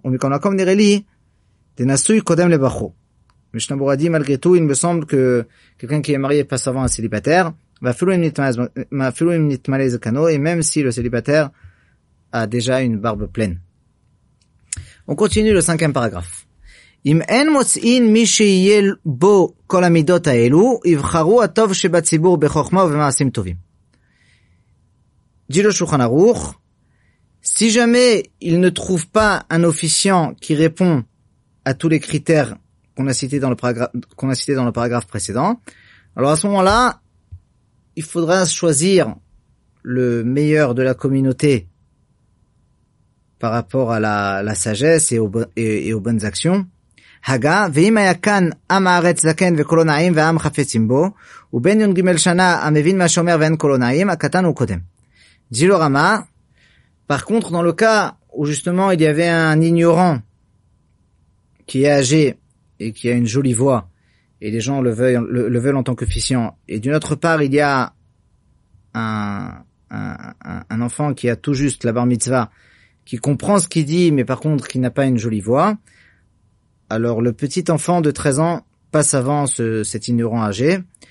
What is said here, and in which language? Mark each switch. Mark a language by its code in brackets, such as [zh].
[fr] Mais Shnabour a dit, malgré tout, il me semble que quelqu'un qui est marié passe avant un célibataire. Et même si le célibataire a déjà une barbe pleine. On continue le cinquième paragraphe. [he] אם אין מוצאין מי שיהיה בו כל המידות האלו, יבחרו הטוב שבציבור בחוכמה ובמעשים טובים. [fr] Dit le Shulchan Aruch, si jamais il ne trouve pas un officiant qui répond à tous les critères qu'on a cités dans le paragraphe précédent, alors à ce moment-là, il faudra choisir le meilleur de la communauté par rapport à la sagesse et aux bonnes actions. [he] Haga, ואם היה כאן עם הארץ זקן וקולו נעים ועם חפצים בו, ובן יון גימל שנה המבין מה שאומר ואין קולו נעים, הקטן הוא קודם. [fr] Dilo Rama, par contre, dans le cas où justement il y avait un ignorant qui est âgé et qui a une jolie voix, et les gens le veulent en tant qu'officiant, et d'une autre part il y a un enfant qui a tout juste la bar mitzvah, qui comprend ce qu'il dit, mais par contre qui n'a pas une jolie voix, alors le petit enfant de 13 ans passe avant cet ignorant âgé.